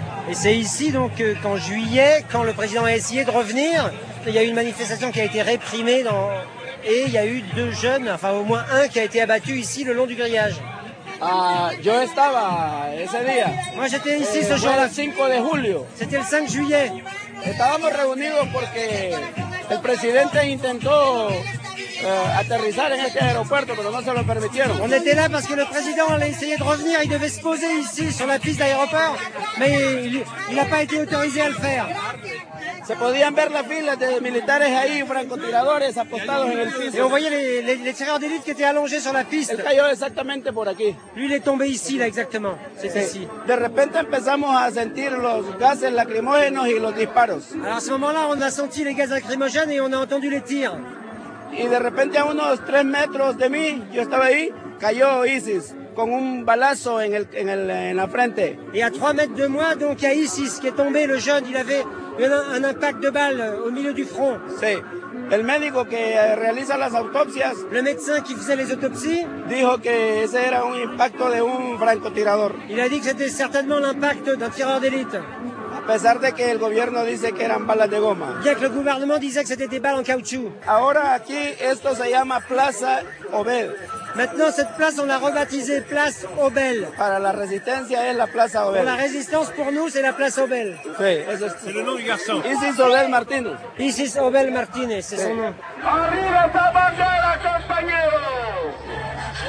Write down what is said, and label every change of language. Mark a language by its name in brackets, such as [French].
[French] Et c'est ici donc qu'en juillet, quand le président a essayé de revenir, il y a eu une manifestation qui a été réprimée dans... et il y a eu deux jeunes, enfin au moins un qui a été abattu ici le long du grillage. [Spanish] Ah, yo estaba ese día. [French] Moi j'étais ici ce jour-là. C'était le 5 juillet. [Spanish] Estábamos reunidos porque el presidente intentó aterrizar en este aeropuerto, pero no se lo permitieron. [French] On était là parce que le président allait essayer de revenir, il devait se poser ici sur la piste d'aéroport, mais il n'a pas été autorisé à le faire. [Spanish] Se podían ver las filas de militares ahí, francotiradores apostados en el piso. [French] Et on voyait les tireurs d'élite qui étaient allongés sur la piste. [Spanish] Él cayó exactamente por aquí. [French] Lui, il est tombé ici, là, exactement. C'est ici. [Spanish] De repente empezamos a sentir los gases lacrimógenos y los disparos. [French] Alors à ce moment-là, on a senti les gaz lacrymogènes et on a entendu les tirs. [Spanish] Y de repente a unos 3 metros de mí, yo estaba ahí, cayó ISIS con un balazo en la frente. [French] Et à 3 mètres de moi, donc il y a ISIS qui est tombé, le jeune, il avait un impact de balle au milieu du front. [Spanish] Sí. El médico que realiza las autopsias, [French] le médecin qui faisait les autopsies, [Spanish] dijo que ese era un impacto de un francotirador. [French] Il a dit que c'était certainement l'impact d'un tireur d'élite. [Spanish] Pesar de que el gobierno dice que eran balas de goma. [French] Bien que le gouvernement disait que c'était des balles en caoutchouc. [Spanish] Ahora aquí esto se llama Plaza Obel. [French] Maintenant cette place on l'a rebaptisée Place Obel. [Spanish] Para la resistencia es la Plaza Obel. [French] Pour la résistance pour nous c'est la Place Obel. [Spanish] Sí, eso es. [French] C'est le nom du garçon. [Spanish] Isis Obel Martínez. [French] Isis Obel Martínez, c'est sí. Son nom. [Spanish] Arriba esa bandera, compañero.